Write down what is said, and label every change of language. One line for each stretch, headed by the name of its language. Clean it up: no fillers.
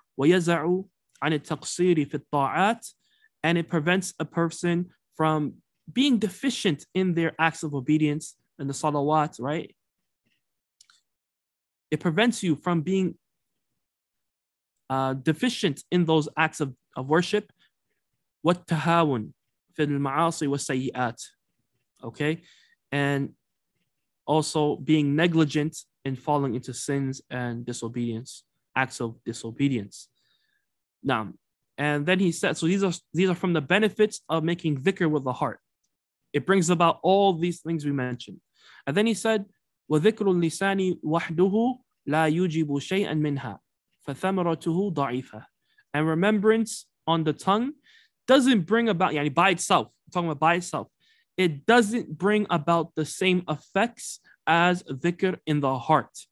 Arabic: Wa yaz'u 'an at-taqsiri fi at-ta'at,
English: and it prevents a person from being deficient in their acts of obedience in the salawat, right? It prevents you from being deficient in those acts of worship.
Arabic: وَالتَّهَاوُن فِي الْمَعَاصِي وَالسَّيِّئَاتِ
English: Okay? And also being negligent in falling into sins and disobedience, acts of disobedience.
Arabic: نعم.
English: And then he said, so these are from the benefits of making dhikr with the heart. It brings about all these things we mentioned. And then he said,
Arabic: وَذِكْرُ اللِّسَانِ وَحْدُهُ لَا يُجِبُ شَيْئًا مِنْهَا فَثَمَرَتُهُ ضَعِيفًا
English: And remembrance on the tongue doesn't bring about, yani by itself, I'm talking about by itself, it doesn't bring about the same effects as dhikr in the heart.